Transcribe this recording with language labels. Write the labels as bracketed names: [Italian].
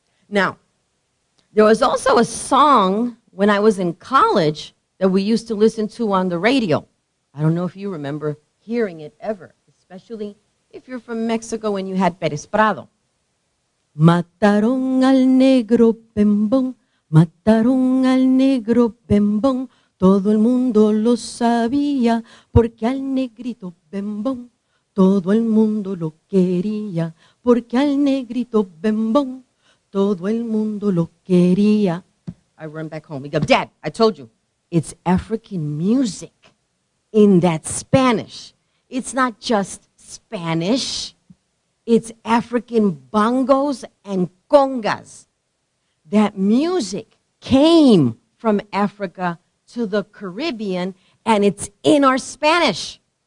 [English] Now, there was also a song when I was in college that we used to listen to on the radio. I don't know if you remember hearing it ever, especially if you're from Mexico and you had Pérez Prado. [Spanish] Mataron al negro bembón, mataron al negro bembón. Todo el mundo lo sabía, porque al negrito bembón, Todo el mundo lo quería, porque al negrito bembón, todo el mundo lo quería. [English] I run back home. He goes, Dad, I told you. It's African music in that Spanish. It's not just Spanish. It's African bongos and congas. That music came from Africa to the Caribbean, and it's in our Spanish.